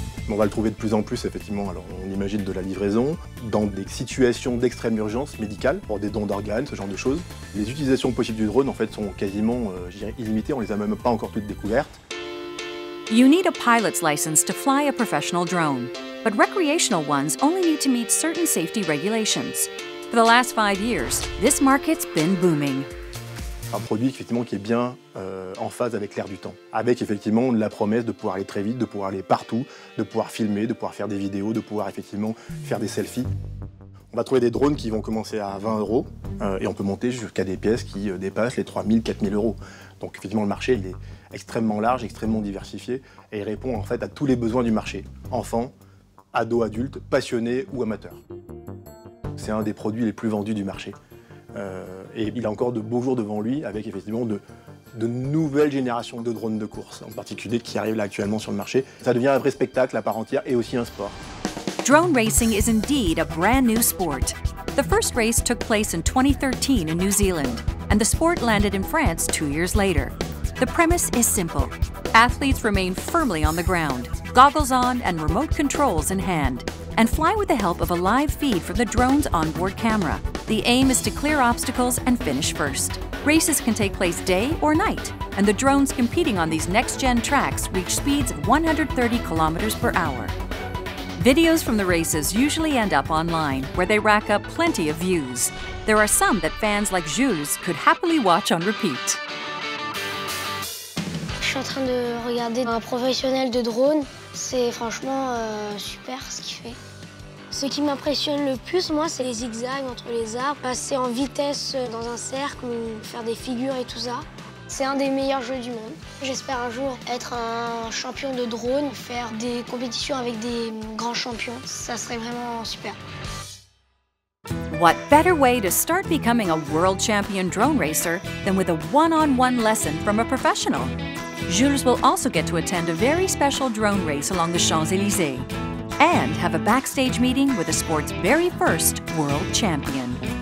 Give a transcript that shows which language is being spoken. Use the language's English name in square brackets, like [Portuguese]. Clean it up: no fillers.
[French] On va le trouver de plus en plus, effectivement. Alors, on imagine de la livraison dans des situations d'extrême urgence médicale, pour des dons d'organes, ce genre de choses. Les utilisations possibles du drone, en fait, sont quasiment, illimitées. On les a même pas encore toutes découvertes. [English] You need a pilot's license to fly a professional drone, but recreational ones only need to meet certain safety regulations. For the last 5 years, this market's been booming. [French] Un produit effectivement qui est bien en phase avec l'air du temps, avec effectivement la promesse de pouvoir aller très vite, de pouvoir aller partout, de pouvoir filmer, de pouvoir faire des vidéos, de pouvoir effectivement faire des selfies. On va trouver des drones qui vont commencer à 20 euros et on peut monter jusqu'à des pièces qui dépassent les 3000, 4000 euros. Donc effectivement le marché il est extrêmement large, extrêmement diversifié et il répond en fait à tous les besoins du marché. Enfants, ados, adultes, passionnés ou amateurs. C'est un des produits les plus vendus du marché. Et il a encore de beaux jours devant lui avec effectivement de nouvelles générations de drones de course, en particulier qui arrivent là actuellement sur le marché. Ça devient un vrai spectacle à part entière et aussi un sport. [English] Drone racing is indeed a brand new sport. The first race took place in 2013 in New Zealand, and the sport landed in France 2 years later. The premise is simple. Athletes remain firmly on the ground, goggles on and remote controls in hand, and fly with the help of a live feed from the drone's onboard camera. The aim is to clear obstacles and finish first. Races can take place day or night, and the drones competing on these next-gen tracks reach speeds of 130 kilometers per hour. Videos from the races usually end up online, where they rack up plenty of views. There are some that fans like Jules could happily watch on repeat. [French] Je suis en train de regarder un professionnel de drone. C'est franchement super ce qu'il fait. Ce qui m'impressionne le plus, moi, c'est les zigzags entre les arbres, passer en vitesse dans un cercle ou faire des figures et tout ça. C'est un des meilleurs jeux du monde. J'espère un jour être un champion de drone, faire des compétitions avec des grands champions. Ça serait vraiment super. [English] What better way to start becoming a world champion drone racer than with a one-on-one lesson from a professional? Jules will also get to attend a very special drone race along the Champs-Élysées and have a backstage meeting with the sport's very first world champion.